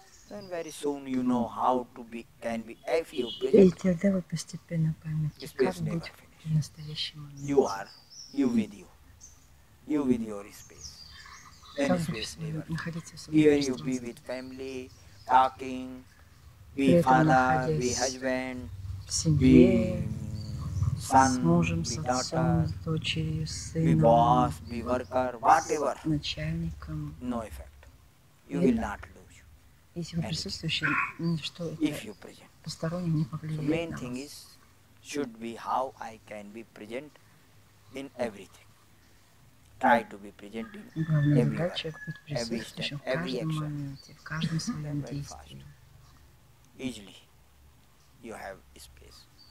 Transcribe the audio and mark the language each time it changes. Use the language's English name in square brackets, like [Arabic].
[English] Then very soon you know how to be, can be, if you present. [Russian] И тогда вы постепенно поймете, как быть в настоящий момент. [English] You are. You with you. You with your space. Then space never. Here you be with family. Talking, be father, be husband, be son, [Russian] мужем, [English] be daughter, [Russian] отцом, дочерью, сыном, [English] be boss, be worker, whatever, [Russian] начальником. [English] No effect. You will not lose you. [Russian] Если вы присутствующие, что это постороннее не повлияет на вас. [English] So main thing is, should be how I can be present in everything. Try to be present in every work, every step, every action, very fast. Easily, you have space.